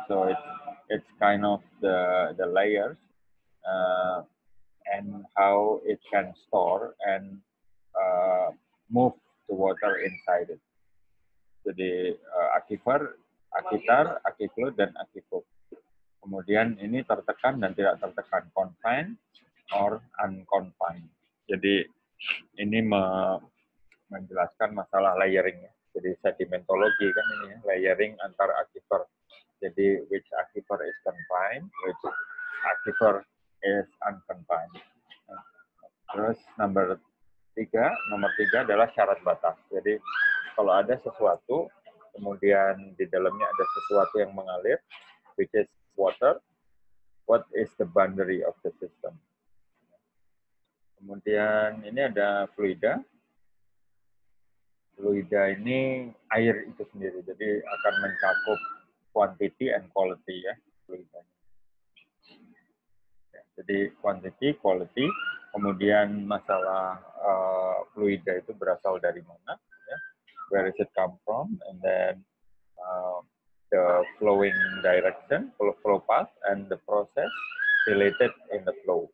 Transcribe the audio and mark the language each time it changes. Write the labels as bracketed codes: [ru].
[en] So it's kind of the layers and how it can store and move the water inside it. [id] Jadi aquifer, aquitar, aquiclude, dan aquifer. Kemudian ini tertekan dan tidak tertekan, [en] confined or unconfined. [id] Jadi ini menjelaskan masalah layering ya. Jadi sedimentologi kan ini ya, layering antar aquifer. Jadi [en] which aquifer is confined, which aquifer is unconfined. [id] Terus nomor tiga adalah syarat batas. Jadi kalau ada sesuatu, kemudian di dalamnya ada sesuatu yang mengalir, [en] which is water, what is the boundary of the system? [id] Kemudian ini ada fluida. Fluida ini air itu sendiri, jadi akan mencakup [en] quantity and quality [id] ya fluida. Jadi quantity, quality, kemudian masalah fluida itu berasal dari mana, ya. [en] Where does it come from, and then the flowing direction, flow path, and the process related in the flow.